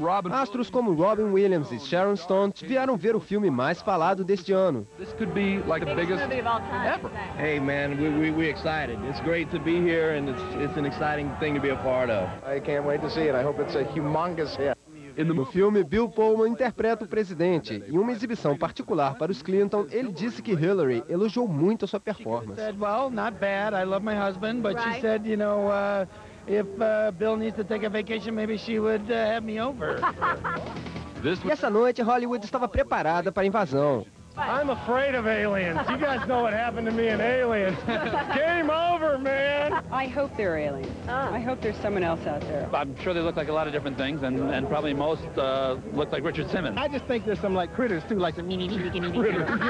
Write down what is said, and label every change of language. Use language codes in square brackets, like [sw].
[pt] Astros como Robin Williams e Sharon Stone vieram ver o filme mais falado deste ano. [en] This could be like the biggest movie of all time. Ever. Hey man, we're excited. It's great to be here and it's an exciting thing to be a part of. I can't wait to see it. I hope it's a humongous hit. [pt] No filme, Bill Pullman interpreta o presidente. Em uma exibição particular para os Clinton, ele disse que Hillary elogiou muito a sua performance. [en] Well, not bad. I love my husband, but she said, you know, if Bill needs to take a vacation, maybe she would have me over. [pt] E essa noite, Hollywood estava preparada para a invasão. [en] I'm afraid of aliens. You guys know what happened to me in Aliens. Game over, man. I hope they're aliens. I hope there's someone else out there. I'm sure they look like a lot of different things, and probably most look like Richard Simmons. I just think there's some like critters too, like the mini critters.